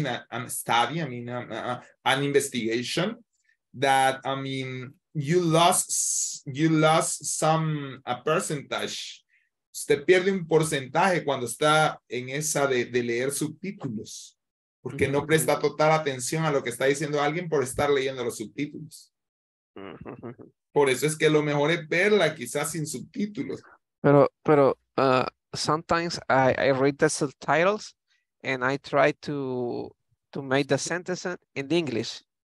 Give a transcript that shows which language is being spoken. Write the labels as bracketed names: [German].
[English] I was reading an investigation that you lost some a percentage. [Spanish] Usted pierde un porcentaje cuando está en esa de leer subtítulos. Porque no presta total atención a lo que está diciendo alguien por estar leyendo los subtítulos. Por eso es que lo mejor es verla quizás sin subtítulos. [English] Pero sometimes I read the subtitles and I try to make the sentence in English.